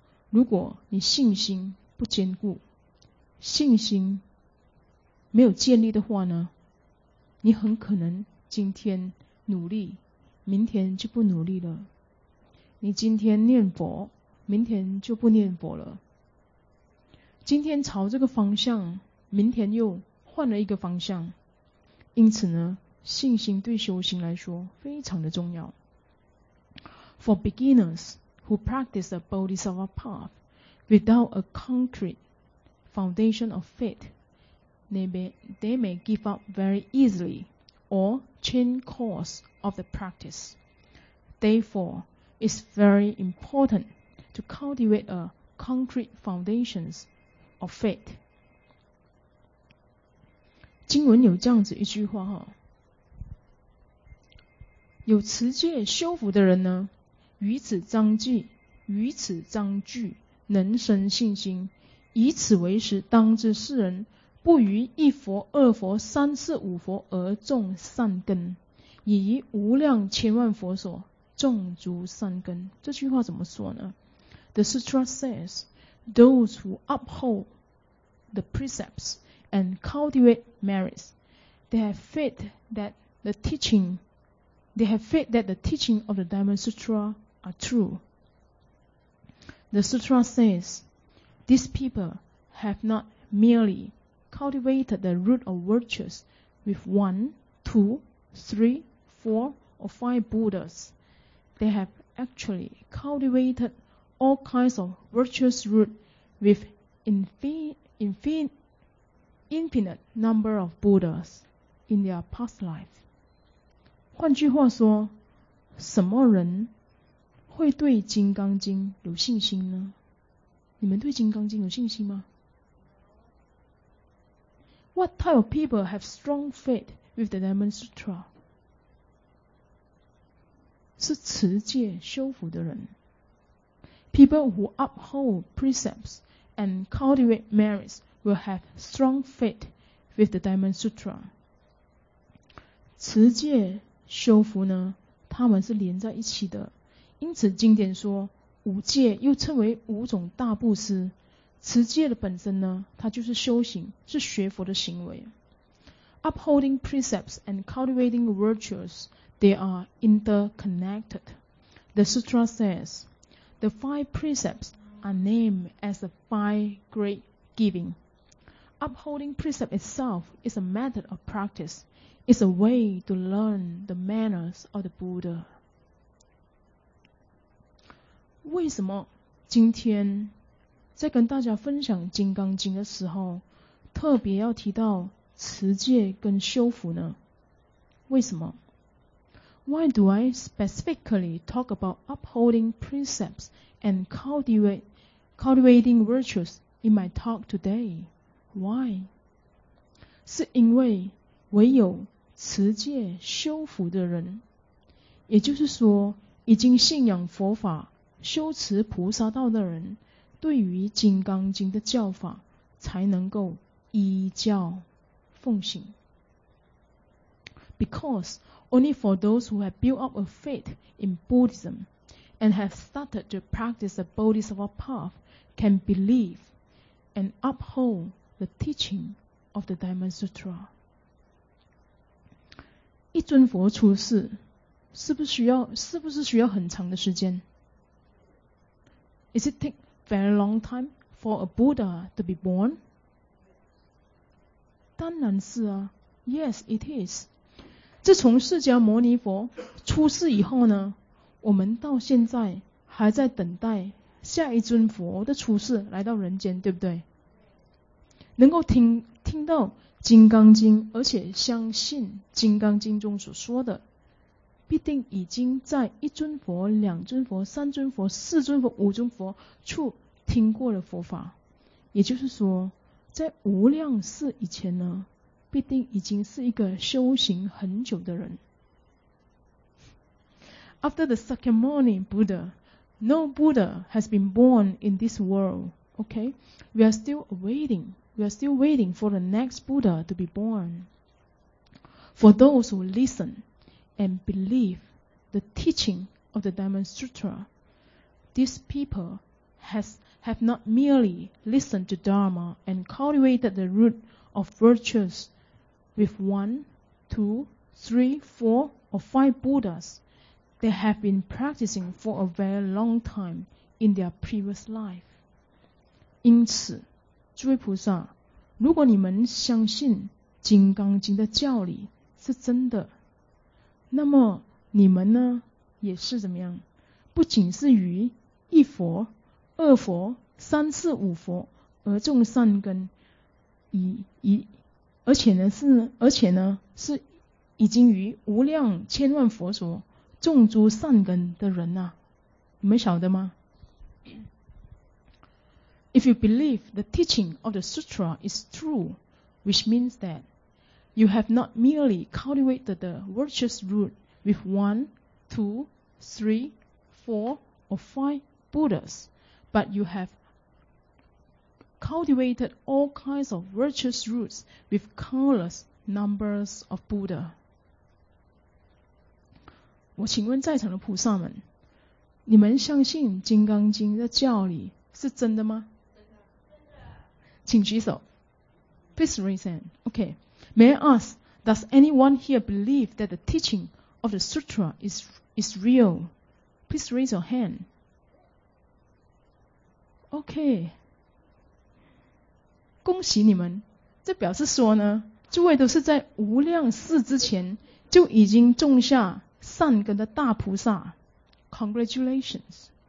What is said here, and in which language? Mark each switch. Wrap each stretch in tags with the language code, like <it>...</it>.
<zh>如果你信心不坚固，信心没有建立的话呢，你很可能今天努力，明天就不努力了。你今天念佛，明天就不念佛了。今天朝这个方向，明天又换了一个方向。因此呢，信心对修行来说非常的重要。</zh> <en>For beginners who practice the Bodhisattva path without a concrete foundation of faith, they may give up very easily or change course of the practice. Therefore, it's very important to cultivate a concrete foundation of faith.</en> <zh>经文有这样子一句话哈，有持戒修福的人呢于此章句能生信心，以此为实，当知世人不于一佛、二佛、三世、五佛而种善根，以于无量千万佛所种足善根。这句话怎么说呢？</zh> <en>The sutra says, those who uphold the precepts and cultivate merits, they have faith that the teaching of the Diamond Sutra. Are true. The sutra says, these people have not merely cultivated the root of virtues with 1, 2, 3, 4, or 5 Buddhas. They have actually cultivated all kinds of virtuous root with infinite number of Buddhas in their past life.</en> <zh>换句话说，什么人会对《金刚经》有信心呢？你们对《金刚经》有信心吗？</zh> <en>What type of people have strong faith with the Diamond Sutra?</en> <zh>是持戒修福的人。</zh> <en>People who uphold precepts and cultivate merits will have strong faith with the Diamond Sutra.</en> <zh>持戒修福呢，他们是连在一起的。因此经典说，五戒又称为五种大布施，持戒的本身呢，它就是修行，是学佛的行为。</zh> <en>Upholding precepts and cultivating virtues, they are interconnected. The sutra says, the five precepts are named as the five great giving. Upholding precept itself is a method of practice. It's a way to learn the manners of the Buddha.</en> <zh>为什么今天在跟大家分享《金刚经》的时候，特别要提到持戒跟修福呢？为什么</zh> <en>？Why do I specifically talk about upholding precepts and cultivating virtues in my talk today? Why?</en> <zh>是因为唯有持戒修福的人，也就是说，已经信仰佛法。修持菩萨道的人对于《金刚经》的教法才能够依教奉行。</zh> <en>Because only for those who have built up a faith in Buddhism and have started to practice the Bodhisattva path can believe and uphold the teaching of the Diamond Sutra.</en> <zh>一尊佛出世是不是需要很长的时间？</zh> <en>Is it take very long time for a Buddha to be born?</en> <zh>当然是啊。</zh> <en>Yes, it is.</en> <zh>自从释迦牟尼佛出世以后呢，我们到现在还在等待下一尊佛的出世来到人间，对不对？能够听到《金刚经》，而且相信《金刚经》中所说的。必定已经在一尊佛、两尊佛、三尊佛、四尊佛、五尊佛处听过了佛法，也就是说，在无量世以前呢，必定已经是一个修行很久的人。</zh> <en>After the Sakyamuni Buddha, no Buddha has been born in this world. Okay, we are still waiting. We are still waiting for the next Buddha to be born. For those who listen. And believe the teaching of the Diamond Sutra, these people have not merely listened to Dharma and cultivated the root of virtues with 1, 2, 3, 4, or 5 Buddhas. They have been practicing for a very long time in their previous life.</en> <zh>因此，诸位菩萨，如果你们相信《金刚经》的教理是真的。那么你们呢也是怎么样，不仅是于一佛二佛三次五佛而种善根，而且呢是已经于无量千万佛所种诸善根的人啊，你们晓得吗？</zh> <en>If you believe the teaching of the sutra is true, which means thatYou have not merely cultivated the virtuous root with 1, 2, 3, 4, or 5 Buddhas, but you have cultivated all kinds of virtuous roots with countless numbers of Buddha.</en> <zh>我请问在场的菩萨们，你们相信《金刚经》的教理是真的吗？真的。请举手。</zh> <en>Please raise hand. Okay. May I ask, does anyone here believe that the teaching of the sutra is real? Please raise your hand. Okay.</en> <zh>恭喜你们，这表示说呢，诸位都是在无量世之前就已经种下善根的大菩萨。</zh> <en>Congratulations.</en>